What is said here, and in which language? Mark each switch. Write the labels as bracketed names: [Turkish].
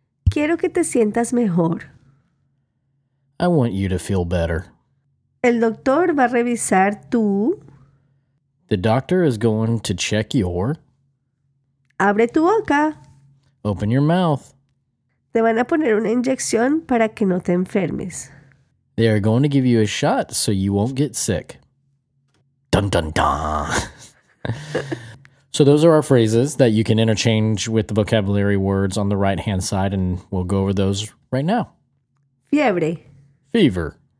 [Spanish] Quiero que te sientas mejor. [English] I want you to feel better. [Spanish] El doctor va a revisar tu... [English] The doctor is going to check your... [Spanish] Abre tu boca. [English] Open your mouth. [Spanish] Te van a poner una inyección para que no te enfermes. [English] They are going to give you a shot so you won't get sick. Dun, dun, dun. So those are our phrases that you can interchange with the vocabulary words on the right-hand side, and we'll go over those right now. [Spanish] Fiebre. [English] Fever.